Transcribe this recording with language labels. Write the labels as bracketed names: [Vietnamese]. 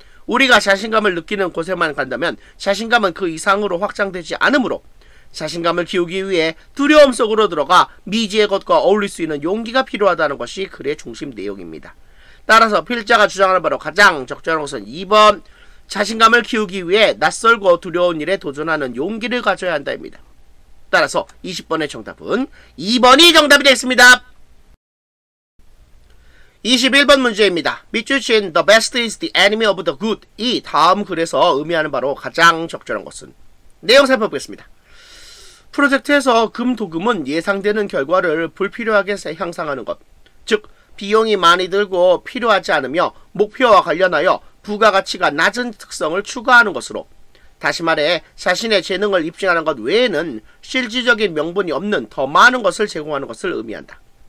[Korean] 우리가 자신감을 느끼는 곳에만 간다면 자신감은 그 이상으로 확장되지 않으므로 자신감을 키우기 위해 두려움 속으로 들어가 미지의 것과 어울릴 수 있는 용기가 필요하다는 것이 글의 중심 내용입니다. 따라서 필자가 주장하는 바로 가장 적절한 것은 2번 자신감을 키우기 위해 낯설고 두려운 일에 도전하는 용기를 가져야 한다입니다. 따라서 20번의 정답은 2번이 정답이 되겠습니다. 21번 문제입니다. 미추친 [English] The best is the enemy of the good. [Korean] 이 다음 글에서 의미하는 바로 가장 적절한 것은 내용 살펴보겠습니다. 프로젝트에서 금도금은 예상되는 결과를 불필요하게 향상하는 것, 즉 비용이 많이 들고 필요하지 않으며 목표와 관련하여 부가가치가 낮은 특성을 추가하는 것으로, 다시 말해 자신의 재능을 입증하는 것 외에는 실질적인 명분이 없는 더 많은 것을 제공하는 것을 의미한다.